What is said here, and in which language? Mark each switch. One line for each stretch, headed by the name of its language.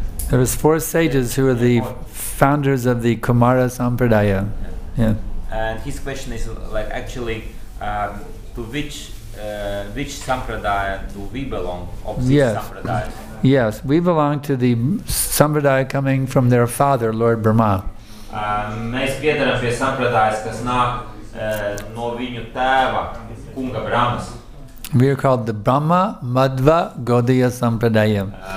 English: There was four sages who were the founders of the Kumara Sampradaya. Yeah. And his question is like actually to which. Which sampradaya do we belong of these yes. sampradayas? Yes, we belong to the sampradaya coming from their father, Lord Brahma.
Latvian: Mēs piederam pie sampradayas, kas nāk no viņu tēva, kunga Brahmas.
English: We are called the Brahma Madhva Gaudiya Sampradaya.